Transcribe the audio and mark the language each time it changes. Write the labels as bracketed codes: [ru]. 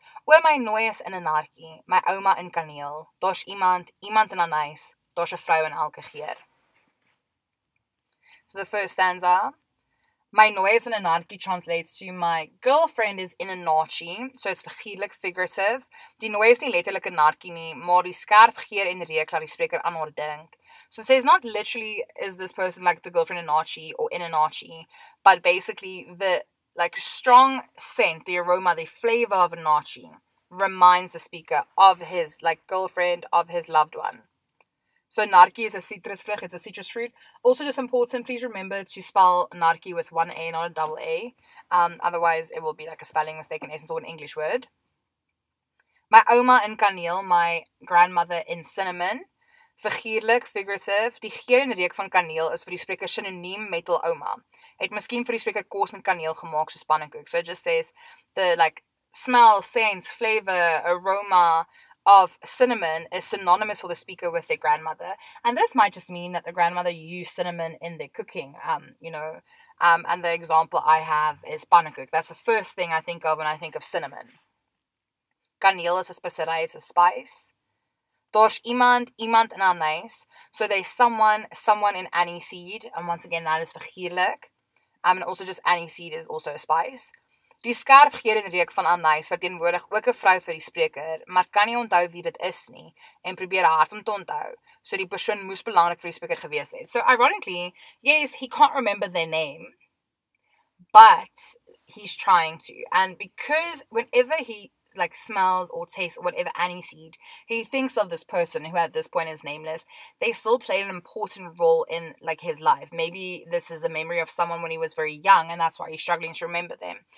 [af] O my nooi is in 'n nartjie, my ouma in kaneel. Daar's iemand, iemand in 'n huis, daar's 'n vrou in elke geur. [en] So the first stanza. [af] My nooi is in 'n nartjie [en] translates to my girlfriend is in a nartjie. So it's [af] figuurlik figurative. Die nooi is nie letterlik 'n nartjie nie, maar die skerp geur en reuk laat die spreker aan haar dink. [en] So it says not literally is this person like the girlfriend in a nartjie or in a nartjie, but basically the like strong scent, the aroma, the flavor of a nartjie reminds the speaker of his like girlfriend, of his loved one. So narki is a citrus fruit. It's a citrus fruit. Also, just important, please remember to spell narki with one A, not a double A. Otherwise, it will be like a spelling mistake in essence or an English word. [af] My oma in kaneel, [en] my grandmother in cinnamon. [af] Figuurlik, figurative. Die geur en reuk van kaneel is vir die spreker synoniem met al oma. Het miskien vir die spreker kos met kaneel gemaak soos pannekoek. [en] So it just says the like smell, scent, flavor, aroma of cinnamon is synonymous for the speaker with their grandmother, and this might just mean that the grandmother used cinnamon in their cooking. And the example I have is pannekoek. That's the first thing I think of when I think of cinnamon. Kaneel is a spesery, it's a spice. [af] Daar's iemand, iemand in 'n huis. [en] So there's someone, someone in aniseed, and once again that is figuurlik. And also just aniseed is also a spice. [af] Die skerp geur en reuk van anys verteenwoordig ook 'n vrou vir die spreker, maar kan nie onthou wie dit is nie en probeer hard om te onthou. So die persoon moes belangrik vir die spreker gewees het. [en] So ironically, yes, he can't remember their name, but he's trying to. And because whenever he like smells or tastes or whatever aniseed, he thinks of this person who at this point is nameless. They still play an important role in like his life. Maybe this is a memory of someone when he was very young, and that's why he's struggling to remember them.